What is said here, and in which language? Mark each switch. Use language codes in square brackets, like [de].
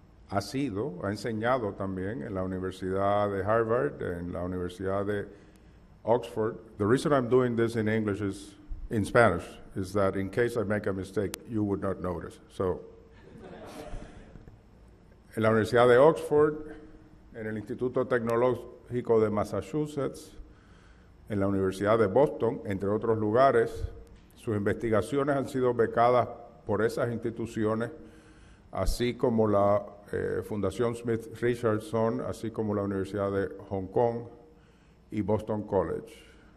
[es] Ha enseñado también en la Universidad de Harvard, en la Universidad de Oxford. [en] The reason I'm doing this in English is, in Spanish, is that in case I make a mistake, you would not notice. [es] So, en la Universidad de Oxford, en el Instituto Tecnológico de Massachusetts, en la Universidad de Boston, entre otros lugares, sus investigaciones han sido becadas por esas instituciones, así como la Fundación Smith Richardson, así como la Universidad de Hong Kong y Boston College.